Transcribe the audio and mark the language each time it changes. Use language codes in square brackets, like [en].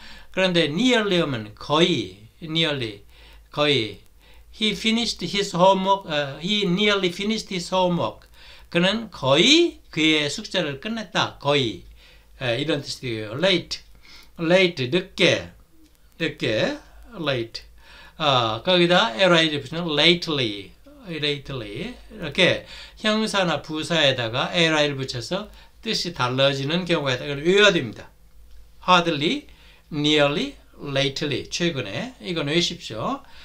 [ko] 그런데 nearly 하면 거의 nearly 거의 [en] he finished his homework. He nearly finished his homework. [ko] 그는 거의 그의 숙제를 끝냈다. 거의. 이런 뜻이에요. [en] late, late [ko] 늦게, 늦게, [en] late. [ko] 거기다 ly 붙이면 lately, lately 이렇게 형사나 부사에다가 ly를 붙여서 뜻이 달라지는 경우가 있다. 이건 의어입니다. hardly, nearly, lately 최근에 이건 외십시오.